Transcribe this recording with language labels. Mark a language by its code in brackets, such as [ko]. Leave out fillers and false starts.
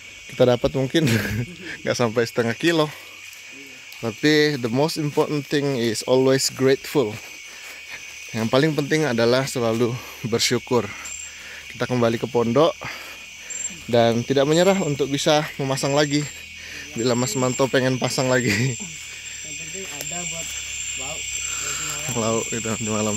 [id] Kita dapat mungkin gak sampai setengah kilo. Tapi [en] the most important thing is always grateful. [id] Yang paling penting adalah selalu bersyukur. Kita kembali ke pondok dan tidak menyerah untuk bisa memasang lagi bila Mas Manto pengen pasang lagi. Yang penting ada buat lauk nanti malam. Lauk itu nanti malam.